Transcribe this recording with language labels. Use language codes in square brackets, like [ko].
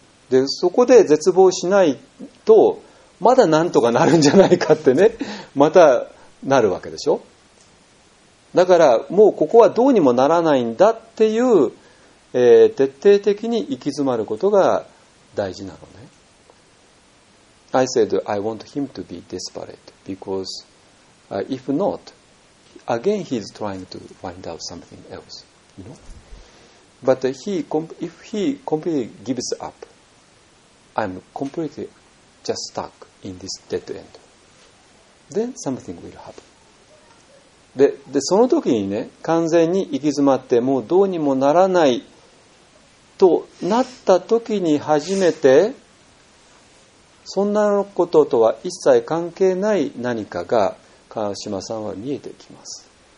[ja] で、そこで絶望しないと、まだなんとかなるんじゃないかってね、またなるわけでしょ。だから、もうここはどうにもならないんだっていう、徹底的に行き詰まることが大事なのね。 [en] I said, I want him to be desperate because、if not,Again, he is trying to find out something else, you know. But if he completely gives up, I'm completely just stuck in this dead end. Then something will happen. [ja] で、その時にね、完全に行き詰まってもうどうにもならないとなった時に初めて、そんなこととは一切関係ない何かが川島さんは見えてきます。